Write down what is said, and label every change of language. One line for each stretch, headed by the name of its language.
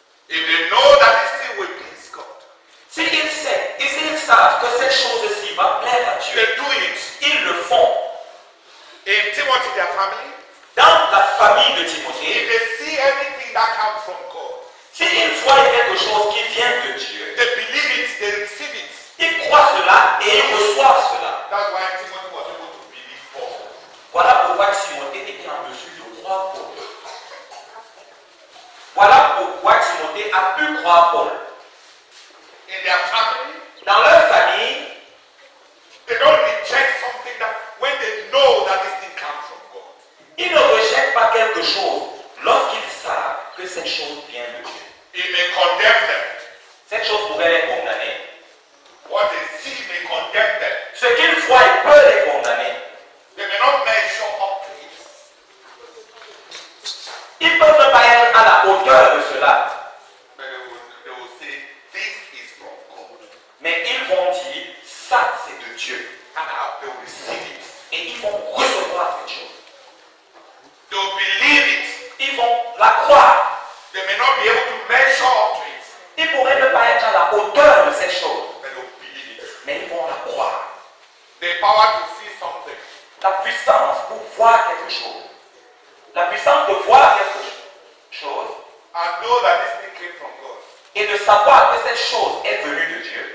English: If they know that this thing will please God,
French: si ils savent, et s'ils savent que cette chose-ci va plaire à Dieu,
English: they do it.
French: Ils le font.
English: In Timothy, their family,
French: dans la famille de Timothée,
English: if they see anything that comes from God,
French: si ils voient quelque chose qui vient de Dieu,
English: they believe it, they receive it.
French: Ils croient cela et ils reçoivent cela.
English: That's why Timothy was able to believe Paul.
French: Voilà pourquoi Timothée était en mesure de croire Paul. Voilà pourquoi Timothée a pu croire Paul.
English: In their family,
French: dans leur famille,
English: they don't reject something that when they know that this thing comes from God.
French: Ils ne rejettent pas quelque chose lorsqu'ils savent que cette chose vient de Dieu.
English: It may condemn them.
French: Cette chose pourrait les condamner.
English: What they see may condemn them.
French: Ce qu'ils voient peut les condamner.
English: They may not measure up to it.
French: Ils peuvent ne pas être à la hauteur de cela.
English: But they will say, this is from God.
French: Mais ils vont dire, ça c'est de Dieu.
English: And they will receive it.
French: Et ils vont recevoir cette chose.
English: They will believe it.
French: Ils vont la croire.
English: They may not be able to measure up to it.
French: Ils pourraient ne pas être à la hauteur de cette chose. Mais ils vont la croire.
English: The power to see something.
French: La puissance pour voir quelque chose. La puissance de voir quelque chose.
English: And know that this thing came from God.
French: Et de savoir que cette chose est venue de Dieu.